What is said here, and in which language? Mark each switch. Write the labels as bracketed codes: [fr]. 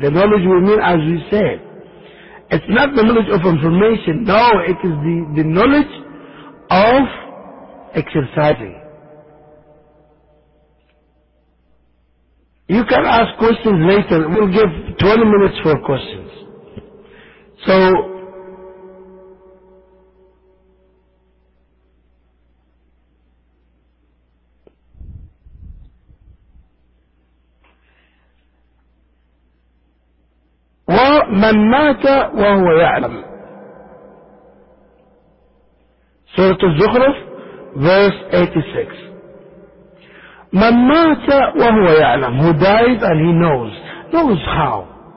[en] The knowledge we mean, as we said, it's not the knowledge of information. No, it is the knowledge of exercising. You can ask questions later. We'll give 20 minutes for questions. So, [ar] وَمَنْ مَاتَ وَهُوَ يَعْلَمُ سورة الزخرف [en] verse 86. [ar] مَنْ مَاتَ وَهُوَ يَعْلَمُ [en] Who dies and he knows how.